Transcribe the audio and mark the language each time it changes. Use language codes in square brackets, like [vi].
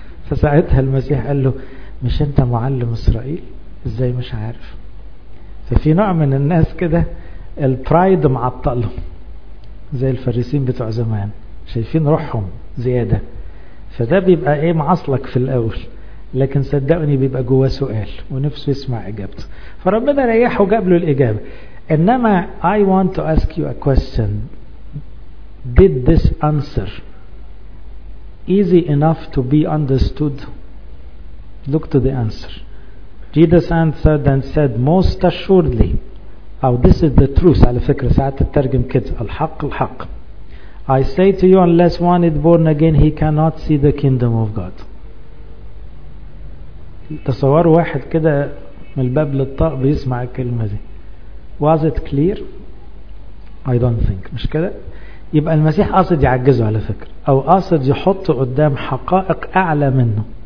[ar] فساعتها المسيح قال له: مش أنت معلم إسرائيل؟ إزاي مش عارف؟ ففي نوع من الناس كده البرايد معطلهم، زي الفريسين بتوع زمان، شايفين روحهم زيادة، فده بيبقى ايه، معصلك في الاول. لكن صدقني بيبقى جوه سؤال ونفسه يسمع اجابته، فربنا ريحه وجاب له الاجابة. [en] انما I want to ask you a question. Did this answer easy enough to be understood? Look to the answer. Jesus answered and said, most assuredly, or this is the truth. [ar] على فكرة ساعات الترجم كده، الحق الحق. [en] I say to you, unless one is born again, he cannot see the kingdom of God. [ar] تصور واحد كده من الباب للطاق بيسمع الكلمة دي. [en] Was it clear? I don't think. [ar] مش كده؟ يبقى المسيح قصد يعجزه على فكرة، أو قصد يحطه قدام حقائق أعلى منه.